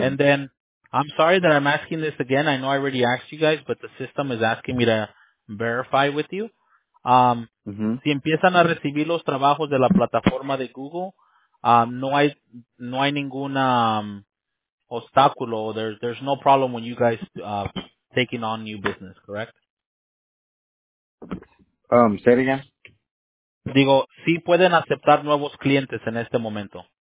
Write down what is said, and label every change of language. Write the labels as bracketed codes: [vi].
[en] And then, I'm sorry that I'm asking this again. I know I already asked you guys, but the system is asking me to verify with you. [es] Si empiezan a recibir los trabajos de la plataforma de Google, no hay ningún obstáculo. [en] There's no problem when you guys taking on new business, correct? Say it again. [es] Digo, sí pueden aceptar nuevos clientes en este momento.